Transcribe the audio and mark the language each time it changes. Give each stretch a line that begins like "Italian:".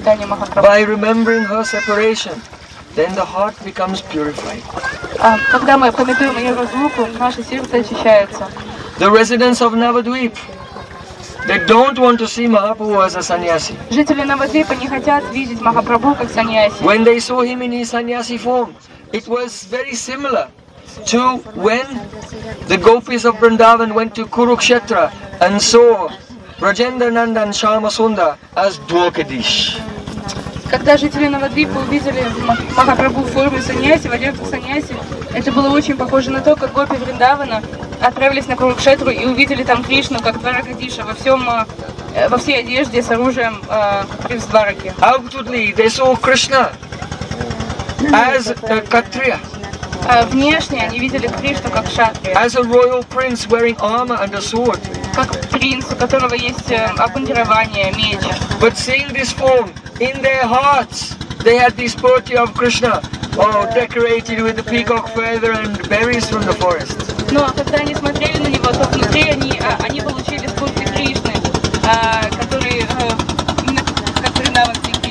English: By remembering her separation, then the heart becomes purified.
Russian: Когда мы помним ее разлуку, наше сердце очищается.
English: The residents of Navadvip, they don't want to see Mahaprabhu as a sannyasi.
Russian: Жители Навадвипа не хотят видеть Махапрабху как сannyasi.
English: When they saw him in his sannyasi form, it was very similar to when the gopis of Vrindavan went to Kurukshetra and saw Rajendranandan and Shyamasunda as Dwarkadish.
Russian: Когда жители Навадвипа увидели Махапрабху в форме саньяси, в одежде саньяси, это было очень похоже на то, как гопи Вриндавана отправились на Курукшетру и увидели там Кришну, как Дваракадиша, во всей одежде с оружием из Двараки.
English: Outwardly, they saw Krishna as a Kshatriya.
Russian: Внешне они видели Кришну как Кшатрия.
English: As a royal prince wearing armor and a sword.
Russian: Как принц, у которого есть обмундирование, меч.
English: But seeing this form, in their hearts, they had this purity of Krishna, decorated with the peacock feather and berries from the forest.
Russian: Но когда они смотрели на него, то внутри они получили скульптуры Кришны, которые на вас Кришна с пером и